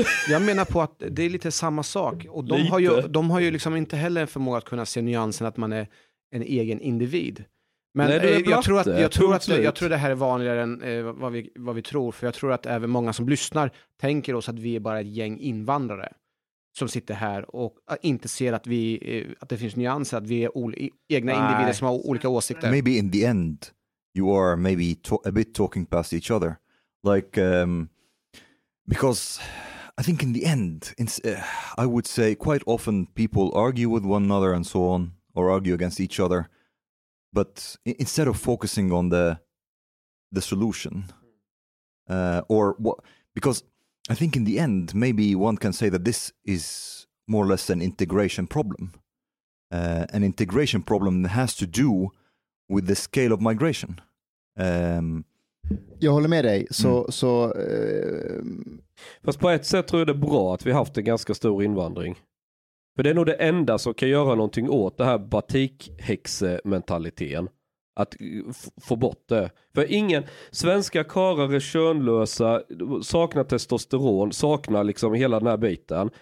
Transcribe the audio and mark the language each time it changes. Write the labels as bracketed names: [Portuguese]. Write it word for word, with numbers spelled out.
[Swedish] Jag menar på att det är lite samma sak. Och de har ju, de har ju liksom inte heller en förmåga att kunna se nyansen att man är en egen individ. Men nej, det är jag tror att jag tror att jag tror det här är vanligare än eh, vad vi vad vi tror, för jag tror att även många som lyssnar tänker oss att vi är bara ett gäng invandrare som sitter här och inte ser att vi eh, att det finns nyanser, att vi är ol- egna nej. individer som har olika åsikter. [English] Maybe in the end you are maybe to- a bit talking past each other, like um, because I think in the end, in, uh, I would say quite often people argue with one another and so on, or argue against each other. But i- instead of focusing on the the solution, uh, or what, because I think in the end, maybe one can say that this is more or less an integration problem. Uh, an integration problem that has to do with the scale of migration. Um, [Swedish] Jag håller med dig. Så, mm. så, eh... Fast på ett sätt tror jag det är bra att vi haft en ganska stor invandring. För det är nog det enda som kan göra någonting åt det här batikhäxementaliteten. Att f- få bort det. För ingen, svenska karlar är könlösa, saknar testosteron, saknar liksom hela den här biten.